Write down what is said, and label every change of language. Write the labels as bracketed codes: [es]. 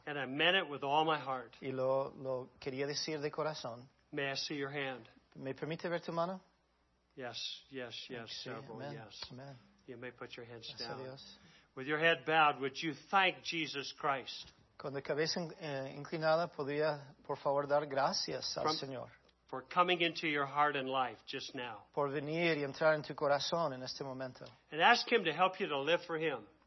[en] And I meant it with all my heart. [es] Y lo quería decir de corazón. [en] May I see your hand? [es] ¿Me permite ver tu mano? [en] Yes, yes, yes, several, yes. [es] Amen. [en] You may put your hands [es] gracias [en] down. [es] Dios. [en] With your head bowed, would you thank Jesus Christ? [es] Con la cabeza inclinada, ¿podría, por favor, dar gracias al Señor? [en] For coming into your heart and life just now. [es] Por venir y entrar en tu corazón en este momento. [en] And ask him to help you to live for him.